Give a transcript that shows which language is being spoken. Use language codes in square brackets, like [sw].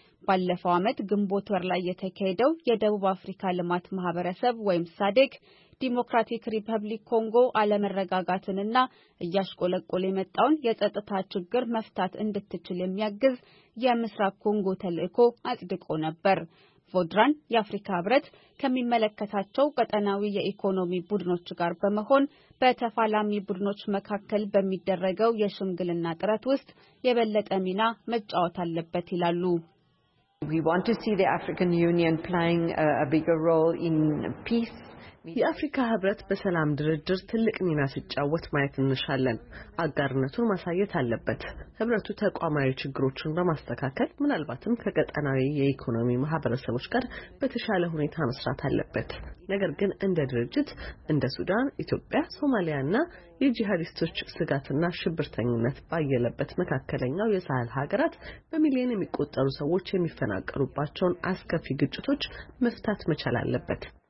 [am] ባለፈው አመት ግንቦት ወር ላይ የተካሄደው የደቡብ አፍሪካ ልማት ማህበረሰብ ወይም ሳዴክ ዲሞክራቲክ ሪፐብሊክ ኮንጎ አለመረጋጋትንና እያሽቆለቆለ የመጣውን የጸጥታ ችግር መፍታት እንድትችል የሚያግዝ የምስራቅ ኮንጎ ተልእኮ አጽድቆ ነበር። ፎድራን የአፍሪካ ህብረት ከሚመለከታቸው ቀጠናዊ የኢኮኖሚ ቡድኖች ጋር በመሆን በተፋላሚ ቡድኖች መካከል በሚደረገው የሽምግልና ጥረት ውስጥ የበለጠ ሚና መጫወት አለበት ይላሉ። [en] We want to see the African Union playing a bigger role in peace. [am] የአፍሪካ ህብረት በሰላም ድርድር ትልቅ ሚና ሲጫወት ማየት እንሻለን። አጋርነቱን ማሳየት አለበት። ህብረቱ ተቋማዊ ችግሮችን በማስተካከል ምናልባትም ከቀጠናዊ የኢኮኖሚ ማህበረሰቦች ጋር በተሻለ ሁኔታ መስራት አለበት። ነገር ግን እንደ ድርጅት እንደ ሱዳን፣ ኢትዮጵያ፣ ሶማሊያና የጂሃዲስቶች ስጋትና ሽብርተኝነት ባየለበት መካከለኛው የሳህል ሀገራት በሚሊዮን የሚቆጠሩ ሰዎች የሚፈናቀሉባቸውን አስከፊ ግጭቶች መፍታት መቻል አለበት።